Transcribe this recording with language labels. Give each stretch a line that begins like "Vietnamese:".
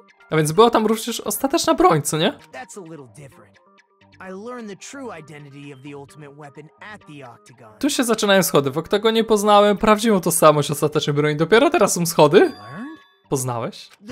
Polish: A więc była tam również ostateczna broń, co nie?
English: That's a little different. I learned the true identity of the ultimate weapon at the octagon.
Polish: Tu się zaczynają schody. W oktagonie poznałem prawdziwą tożsamość ostatecznej broni. Dopiero teraz są schody? Poznałeś?